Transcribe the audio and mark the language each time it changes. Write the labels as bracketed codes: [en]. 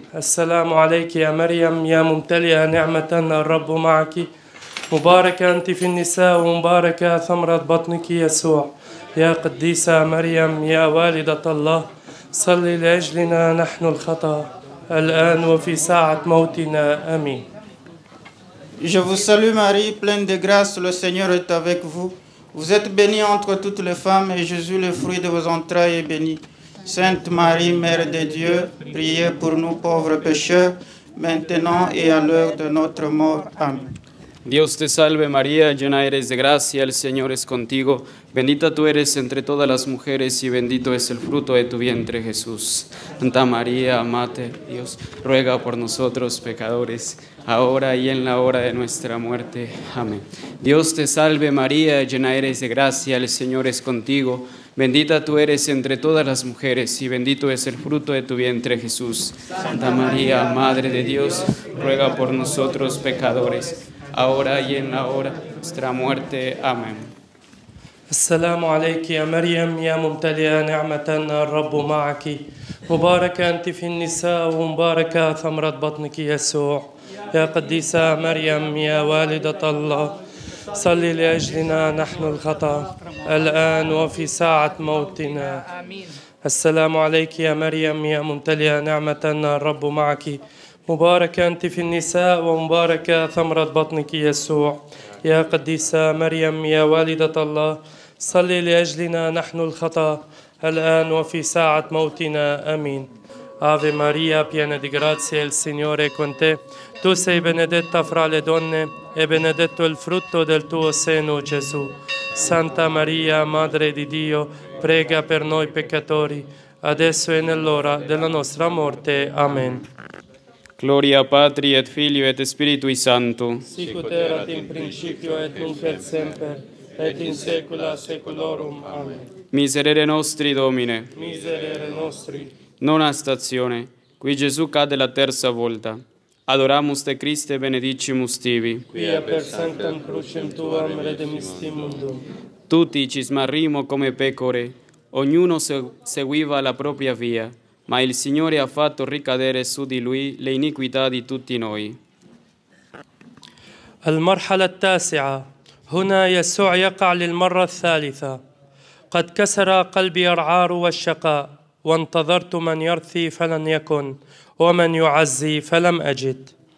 [ar] السلام عليك يا مريم يا ممتلئة نعمة الرب معك مباركة أنت في النساء ومباركة ثمرة بطنك يسوع. يا قديسة مريم يا والدة الله صلي لأجلنا نحن الخطأ الآن وفي ساعة موتنا أمين. [fr] Je vous salue Marie, pleine de grâce, le Seigneur est avec vous. Vous êtes bénie entre toutes les femmes et Jésus, le fruit de vos entrailles, est béni. Sainte Marie, Mère de Dieu, priez pour nous pauvres pécheurs, maintenant et à l'heure de notre mort. Amen. [es] Dios te salve María, llena eres de gracia, el Señor es contigo. Bendita tú eres entre todas las mujeres y bendito es el fruto de tu vientre, Jesús. Santa María, Mater Dios, ruega por nosotros pecadores, ahora y en la hora de nuestra muerte. Amén. Dios te salve María, llena eres de gracia, el Señor es contigo. Bendita tú eres entre todas las mujeres y bendito es el fruto de tu vientre, Jesús. Santa María, Madre de Dios, ruega por nosotros pecadores, ahora y en la hora de nuestra muerte. Amén. [ar] السلام عليك يا مريم يا ممتلئة نعمة الرب معك مباركة أنت في النساء ومباركة ثمرة بطنك يسوع يا قديسة مريم يا والدة الله صلي لأجلنا نحن الخطأ الآن وفي ساعة موتنا السلام عليك يا مريم يا ممتلئة نعمة الرب معك مباركة أنت في النساء ومباركة ثمرة بطنك يسوع يا قديسة مريم يا والدة الله صلي لأجلنا نحن الخطأ الآن وفي ساعة موتنا آمين [it] Ave Maria, piena di grazia, il Signore è con te. Tu sei benedetta fra le donne e benedetto il frutto del tuo seno, Gesù. Santa Maria, Madre di Dio, prega per noi peccatori, adesso e nell'ora della nostra morte. Amen. [la] Gloria Patri et Filio et Spiritui Santo. Sicut erat in principio et nunc et semper, et in saecula saeculorum. Amen. Miserere nostri, Domine. Miserere nostri. [it] Non a stazione, qui Gesù cade la terza volta. [la] Adoramus te Christe benedicimus tibi. Quia per sanctam crucem tuam redemistimundum. [it] Tutti ci smarrimo come pecore, ognuno seguiva la propria via, ma il Signore ha fatto ricadere su di Lui le iniquità di tutti noi. [ar] Al marhala tasi'a, huna Yesu yaqa' lil marra thalitha, qad kasara qalbi ar'aru wa shaqa' وانتظرت من يرثي فلن يكن ومن يعزي فلم أجد.